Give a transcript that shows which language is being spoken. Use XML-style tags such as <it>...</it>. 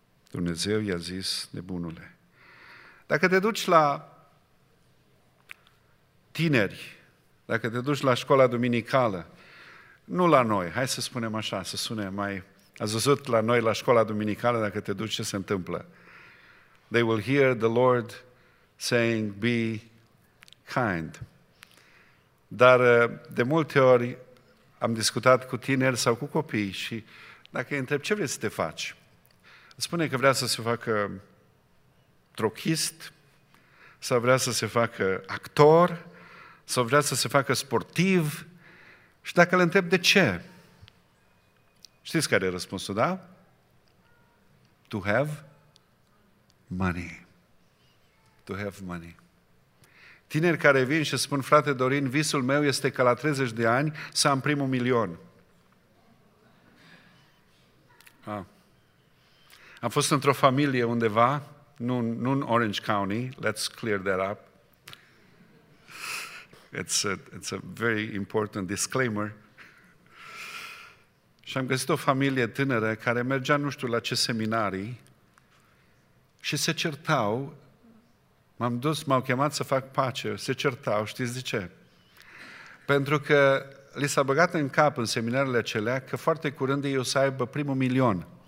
<ro>Dumnezeu i-a zis, nebunule. Dacă te duci la tineri, dacă te duci la școala duminicală, nu la noi, hai să spunem așa, să sune mai... Ați văzut la noi, la școala duminicală, dacă te duci, ce se întâmplă?</ro> <en>They will hear the Lord saying, be kind.</en> <ro>Dar de multe ori am discutat cu tineri sau cu copii și dacă îi întreb ce vrei să te faci, spune că vrea să se facă trochist sau vrea să se facă actor sau vrea să se facă sportiv și dacă le întreb de ce, știți care e răspunsul, da?</ro> <en>To have money. To have money.</en> <ro>Tineri care vin și spun, frate Dorin, visul meu este ca la 30 de ani să am primul milion. Ah. Am fost într-o familie undeva, nu în Orange County,</ro> <en>let's clear that up. It's a very important disclaimer.</en> <ro>Și am găsit o familie tânără care mergea nu știu la ce seminarii și se certau. M-am dus, m-au chemat să fac pace, se certau, știți de ce? Pentru că li s-a băgat în cap în seminarele acelea că foarte curând ei o să aibă primul milion.</ro>